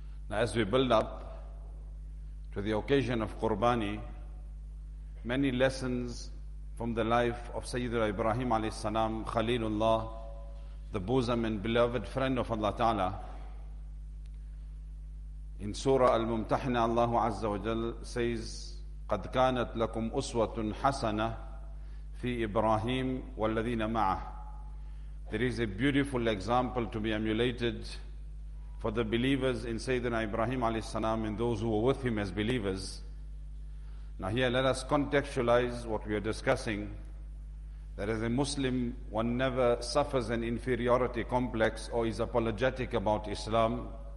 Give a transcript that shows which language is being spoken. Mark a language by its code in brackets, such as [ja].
[en] Now, as we build up to the occasion of Qurbani, many lessons from the life of Sayyidina Ibrahim alayhi salam, Khalilullah, the bosom and beloved friend of Allah Ta'ala. In Surah Al-Mumtahina, Allah Azza wa Jal says, [ar] قَدْ كَانَتْ لَكُمْ أُسْوَةٌ حَسَنَةٌ فِي إِبْرَاهِيمُ وَالَّذِينَ مَعَهُ. [en] There is a beautiful example to be emulated for the believers in Sayyidina Ibrahim alayhi salam and those who were with him as believers. Now here, let us contextualize what we are discussing, that as a Muslim, one never suffers an inferiority complex or is apologetic about Islam.